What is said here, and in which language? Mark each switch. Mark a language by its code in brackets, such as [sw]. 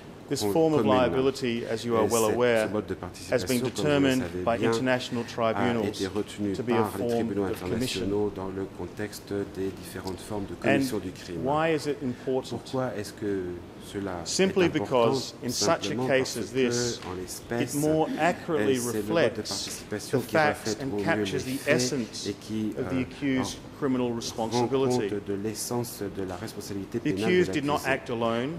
[en] This form of liability, as you are well aware, has been determined by international tribunals to be a form of commission. [fr] Dans le contexte des différentes formes de commission du crime. [en] And why is it important? [fr] Pourquoi est-ce que cela est [en] simply because in such a case as this, it more accurately reflects the facts and captures the essence of the accused's criminal responsibility. [fr] De l'essence de la responsabilité [en] the accused did not act alone,